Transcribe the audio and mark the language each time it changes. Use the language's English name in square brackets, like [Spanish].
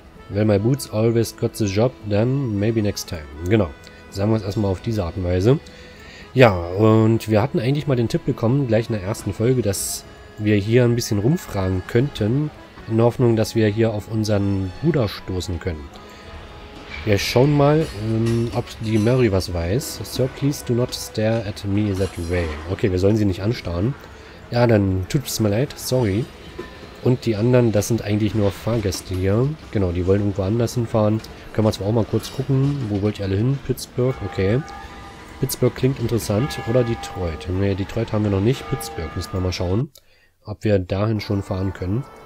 [English] Well, my boots always got the job, then maybe next time. [German] Genau. Sagen wir es erstmal auf diese Art und Weise. Ja, und wir hatten eigentlich mal den Tipp bekommen, gleich in der ersten Folge, dass wir hier ein bisschen rumfragen könnten, in Hoffnung, dass wir hier auf unseren Bruder stoßen können. Wir schauen mal, ob die Mary was weiß. [English] Sir, please do not stare at me that way. [German] Okay, wir sollen sie nicht anstarren. Ja, dann tut es mir leid, sorry. Und die anderen, das sind eigentlich nur Fahrgäste hier. Genau, die wollen irgendwo anders hinfahren. Können wir zwar auch mal kurz gucken, wo wollt ihr alle hin? Pittsburgh, okay. Pittsburgh klingt interessant. Oder Detroit. Nee, Detroit haben wir noch nicht. Pittsburgh müssen wir mal schauen, ob wir dahin schon fahren können.